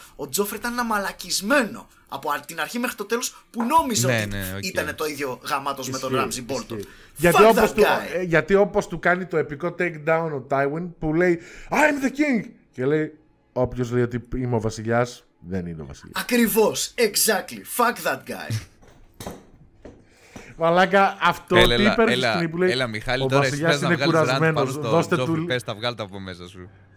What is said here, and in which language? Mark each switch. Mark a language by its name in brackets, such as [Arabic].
[Greek] Ο Τζόφρι ήταν ένα μαλακισμένο από την αρχή μέχρι το τέλος που νόμιζε, ναι, ότι, ναι, okay, ήταν το ίδιο γαμάτος. Ισχύει, με τον Ράμζι Μπόλτον. Γιατί όπως του κάνει το επικό takedown ο Tywin που λέει [English] I'm the king! [Greek] Και λέει, όποιος λέει ότι είμαι ο βασιλιάς, δεν είναι ο βασιλιάς. Ακριβώς, [English] exactly, fuck that guy. [Greek] Μαλάκα, αυτό τι είπε η σκηνή που λέει. Έλα, Μιχάλη, ο βασιλιάς τώρα, είναι κουρασμένος. Δώστε του. Πες τα, βγάλτε από μέσα σου.